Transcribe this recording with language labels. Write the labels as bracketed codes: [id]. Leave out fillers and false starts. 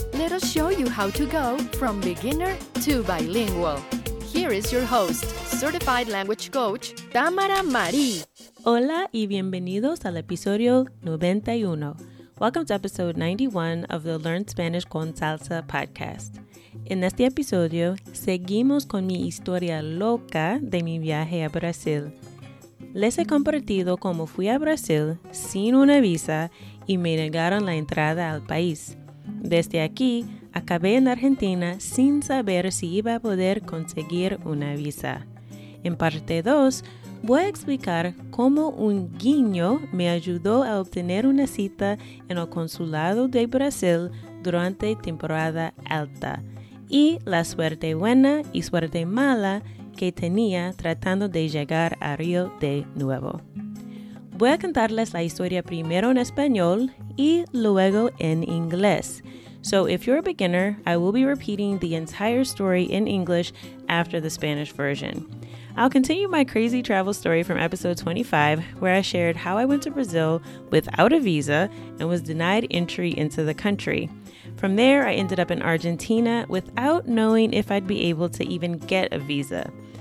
[en] Let us show you how to go from beginner to bilingual. Here is your host, certified language coach, Tamara Marie. [es] Hola y bienvenidos al episodio 91. [en] Welcome to episode 91 of the Learn Spanish con Salsa podcast. [es] En este episodio, seguimos con mi historia loca de mi viaje a Brasil. Les he compartido cómo fui a Brasil sin una visa y me negaron la entrada al país. Desde aquí, acabé en Argentina sin saber si iba a poder conseguir una visa. En parte 2, voy a explicar cómo un guiño me ayudó a obtener una cita en el consulado de Brasil durante temporada alta y la suerte buena y suerte mala que tenía tratando de llegar a Río de nuevo. Voy a contarles la historia primero en español y luego en inglés. [en] So if you're a beginner, I will be repeating the entire story in English after the Spanish version. I'll continue my crazy travel story from episode 25, where I shared how I went to Brazil without a visa and was denied entry into the country. From there, I ended up in Argentina without knowing if I'd be able to even get a visa.